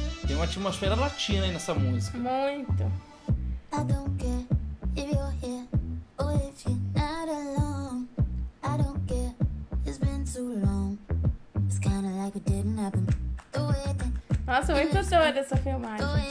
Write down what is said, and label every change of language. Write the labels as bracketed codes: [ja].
[pt] Uma atmosfera latina aí nessa música. Muito. [en] I don't care if you're here or if you're not alone. I don't care, it's been too long. It's kinda like it didn't happen. [pt] Nossa, muito doida essa filmagem.